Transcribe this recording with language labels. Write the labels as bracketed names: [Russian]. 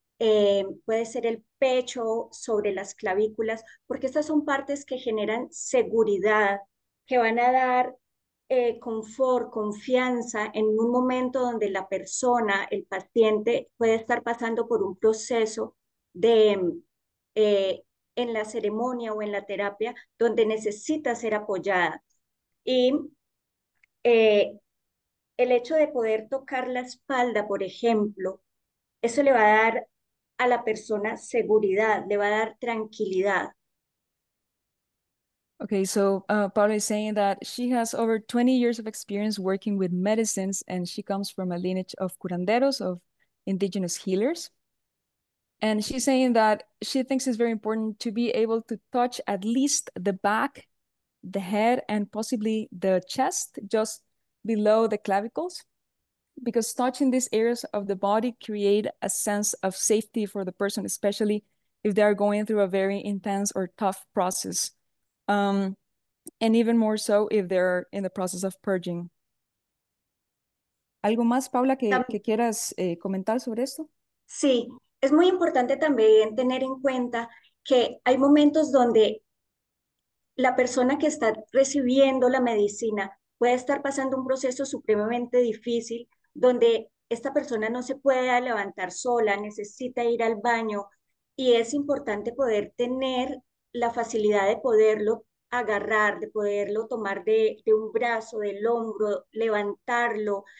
[Spanish] Puede ser el pecho sobre las clavículas, porque estas son partes que generan seguridad, que van a dar confort, confianza en un momento donde la persona, el paciente, puede estar pasando por un proceso de en la ceremonia o en la terapia donde necesita ser apoyada. Y el hecho de poder tocar la espalda, por ejemplo, eso le va a dar a la persona seguridad, le va a dar tranquilidad. [English] Okay, so Paula is saying that she has over 20 years of experience working with medicines, and she comes from a lineage of curanderos, of indigenous healers. And she's saying that she thinks it's very important to be able to touch at least the back, the head, and possibly the chest, just below the clavicles. Because touching these areas of the body create a sense of safety for the person, especially if they are going through a very intense or tough process. And even more so if they're in the process of purging. [Spanish] ¿Algo más, Paula, que quieras comentar sobre esto? Sí, es muy importante también tener en cuenta que hay momentos donde la persona que está recibiendo la medicina puede estar pasando un proceso supremamente difícil, donde esta persona no se puede levantar sola, necesita ir al baño, y es importante poder tener la facilidad de poderlo agarrar, de poderlo tomar de un brazo, del hombro, levantarlo.